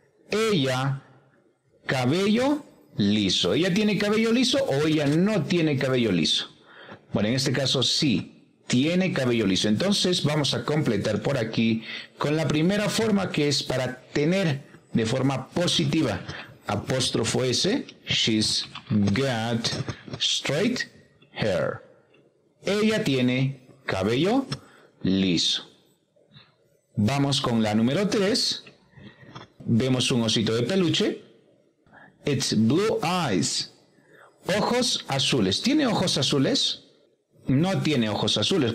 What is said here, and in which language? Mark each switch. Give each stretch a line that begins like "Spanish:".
Spanish: Ella, cabello liso. ¿Ella tiene cabello liso o ella no tiene cabello liso? Bueno, en este caso sí, tiene cabello liso. Entonces vamos a completar por aquí con la primera forma, que es para tener de forma positiva. Apóstrofo S,
English: she's got straight hair.
Spanish: Ella tiene cabello liso. Vamos con la número 3. Vemos un osito de peluche.
English: It's blue eyes.
Spanish: Ojos azules. ¿Tiene ojos azules? No tiene ojos azules.